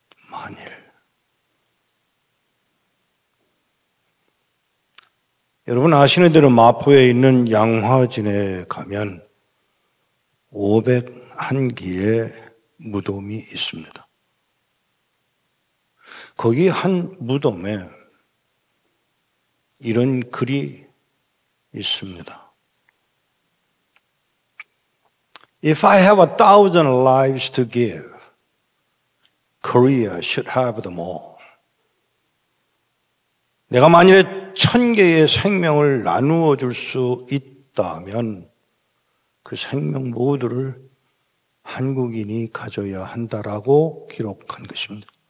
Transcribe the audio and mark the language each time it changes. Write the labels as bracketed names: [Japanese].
[Korean] 만일 여러분 아시는 대로 마포에 있는 양화진에 가면 501기의 무덤이 있습니다. 거기 한 무덤에 이런 글이 있습니다. [English] If I have 1,000 lives to give, Korea should have them all. [Korean] 내가 만일에 1,000개의 생명을 나누어 줄 수 있다면 그 생명 모두를 한국인이 가져야 한다라고 기록한 것입니다.